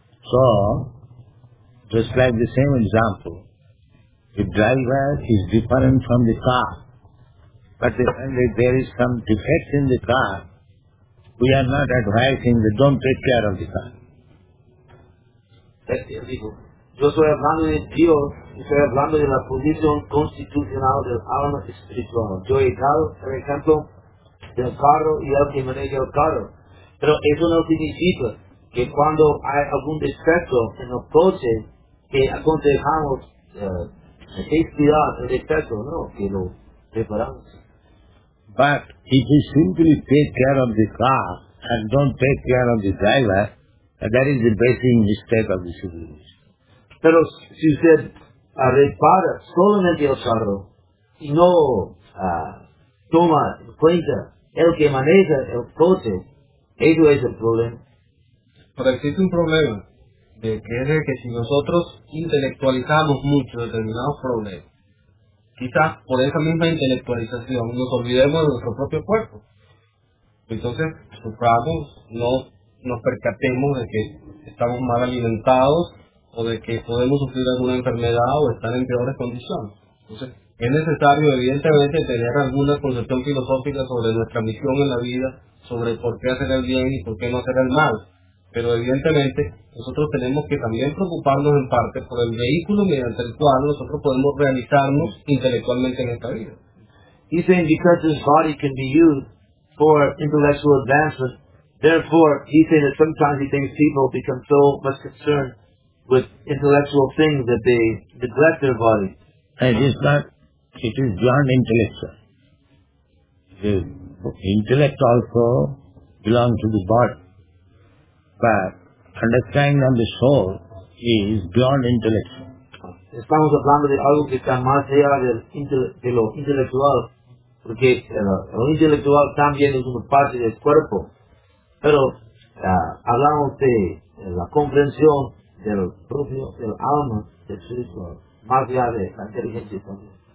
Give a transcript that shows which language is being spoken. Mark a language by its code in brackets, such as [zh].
[en] So, just like the same example, the driver is different from the car. But when there is some defect in the car, we are not advising that don't take care of the car. [es] Yo estoy hablando de Dios, estoy hablando de la posición constitucional del alma espiritual. Yo he dado el ejemplo del carro y el que maneja el carro. Pero eso no significa que cuando hay algún defecto en el coche, que aconsejamos expirar el defecto, no, que lo preparamos. [en] But if you simply take care of the car and don't take care of the driver, and that is the basic mistake of the civilization. [es] Pero si usted repara solamente el carro y no toma en cuenta el que maneja el coche, ello es el problema. Pero existe un problema, de que es de que si nosotros intelectualizamos mucho determinados problemas, quizás por esa misma intelectualización nos olvidemos de nuestro propio cuerpo. Entonces, suframos, no nos percatemos de que estamos mal alimentados o de que podemos sufrir alguna enfermedad o estar en peores condiciones. Entonces, es necesario, evidentemente, tener alguna concepción filosófica sobre nuestra misión en la vida, sobre por qué hacer el bien y por qué no hacer el mal. Pero, evidentemente, nosotros tenemos que también preocuparnos en parte por el vehículo mediante el cual nosotros podemos realizarnos intelectualmente en esta vida. [en] He's saying because his body can be used for intellectual advancement, therefore, he's saying that sometimes he thinks people become so much concerned with intellectual things that they neglect their body. And it's not, it is beyond intellect. The intellect also belongs to the body. But understanding of the soul is beyond intellect. [es] Estamos hablando de algo que está más allá de lo intelectual, porque el intelectual también es una parte del cuerpo. Pero hablamos de la comprensión del propio, del alma, del espiritual, más allá de la inteligencia también.